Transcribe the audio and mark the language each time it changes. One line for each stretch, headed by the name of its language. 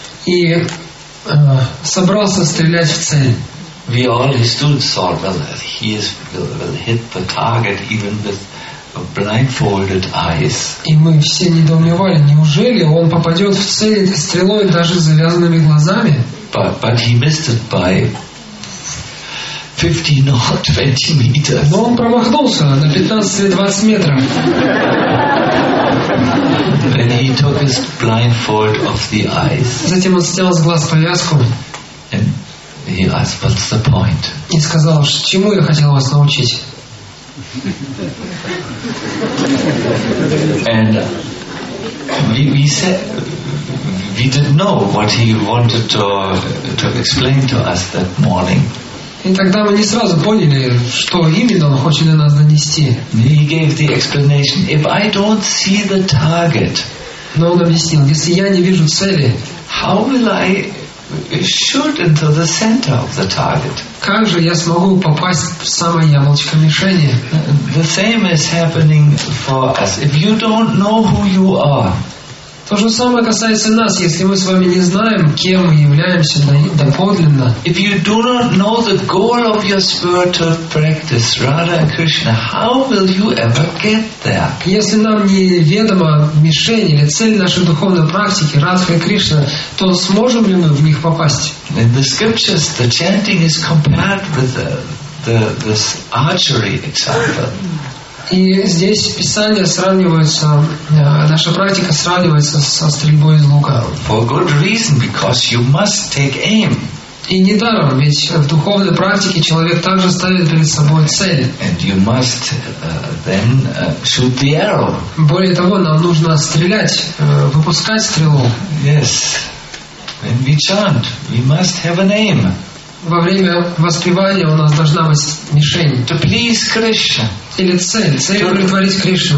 Russian: И собрался стрелять в цель.
English: We all stood thought, well, he is will hit the target even with blindfolded eyes.
Russian: И мы все недоумевали, неужели он попадет в цель этой стрелой даже с завязанными глазами?
English: But he missed it by 15 or 20 meters.
Russian: Но он промахнулся на 15-20 метров.
English: And he took his blindfold off the eyes.
Russian: Затем он снял с глаз повязку.
English: And he asked, "What's the point?"
Russian: И сказал, чему я хотел вас научить.
English: And we said, we didn't know what he wanted to explain to us that morning.
Russian: И тогда мы не сразу поняли, что именно он хочет для нас донести.
English: He gave the explanation. If I don't see the target,
Russian: но он объяснил, если я не вижу цели,
English: how will I shoot into the center of the target?
Russian: Как же я смогу попасть в самое яблочко мишени?
English: The same is happening for us. If you don't know who you are,
Russian: то же самое касается нас, если мы с вами не знаем, кем мы являемся доподлинно.
English: If you do not know the goal of your spiritual practice, Radha Krishna, how will you ever get there?
Russian: Если нам неведома мишень или цель нашей духовной практики, Радха Кришна, то сможем ли мы в них попасть?
English: In the scriptures, the chanting is compared with this archery example.
Russian: И здесь Писание сравнивается, наша практика сравнивается со стрельбой из лука.
English: For good reason, because you must take aim.
Russian: И недаром, ведь в духовной практике человек также ставит перед собой цель.
English: And you must then shoot the arrow.
Russian: Более того, нам нужно стрелять, выпускать стрелу.
English: Yes. When we chant, we must have an aim.
Russian: Во время воспевания у нас должна быть мишень.
English: To please Krishna.
Russian: Или цель удовлетворить Кришну.